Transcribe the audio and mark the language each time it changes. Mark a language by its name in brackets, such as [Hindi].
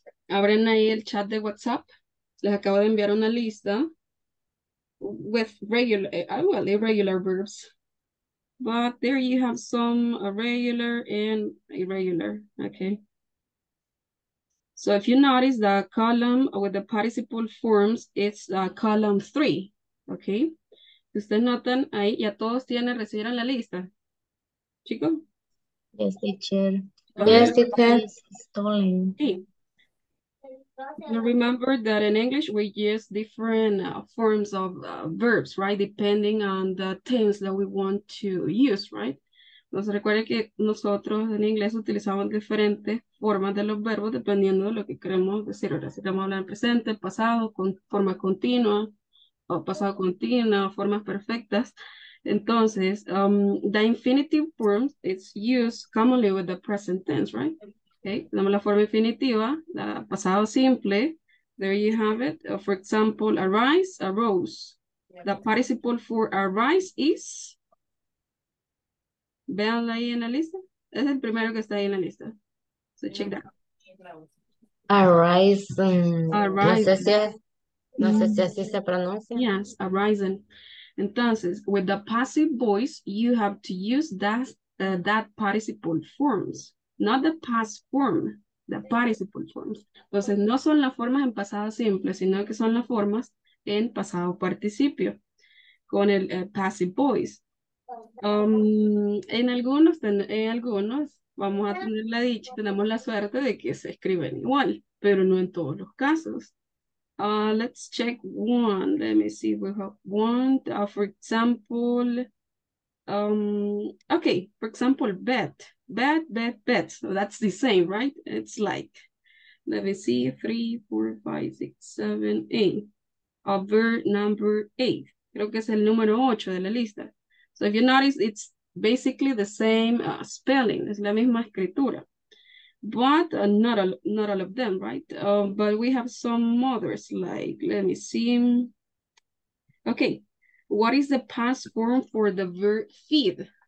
[Spanish] Abren ahí el chat de WhatsApp. Les acabo de enviar una lista [English] with regular, well, irregular verbs. But there you have some regular and irregular, okay? So if you notice, the column with the participle forms, it's column three, okay? [Spanish] Ustedes notan ahí, ya todos tienen, recibieron la lista. ¿Chico? [English] Yes, teacher. Okay. Yes, teacher. Stalling. Okay. Remember that in English, we use different forms of verbs, right? Depending on the tense that we want to use, right? [Spanish] Entonces, recuerden que nosotros en inglés utilizamos diferentes formas de los verbos dependiendo de lo que queremos decir. Ahora, si queremos hablar en presente, pasado, con forma continua, o pasado continuo, formas perfectas. [English] Entonces, the infinitive form is used commonly with the present tense, right? [Spanish] Okay, damos la forma infinitiva, la pasado simple. [English] There you have it. For example, arise, arose. The participle for arise is, [Spanish] véanla ahí en la lista. Es el primero que está ahí en la lista. [English] So check that. Arise. Arise. [Spanish] No sé si así se pronuncia. [English] Yes, arisen. Entonces, with the passive voice, you have to use that participle forms. Not the past form, the participle forms. [Spanish] Entonces, no son las formas en pasado simple, sino que son las formas en pasado participio, con el passive voice. En algunos, vamos a tener la dicha, tenemos la suerte de que se escriben igual, pero no en todos los casos. [English] Let's check one. Let me see if we have one. For example, okay, for example, bet. So that's the same, right? It's like, let me see, 3, 4, 5, 6, 7, 8. Verb number 8. [Spanish] Creo que es el número 8 de la lista. [English] So if you notice, it's basically the same spelling. [Spanish] Es la misma escritura. [English] But not all of them, right? But we have some others, like, let me see. Okay, what is the past form for the verb feed?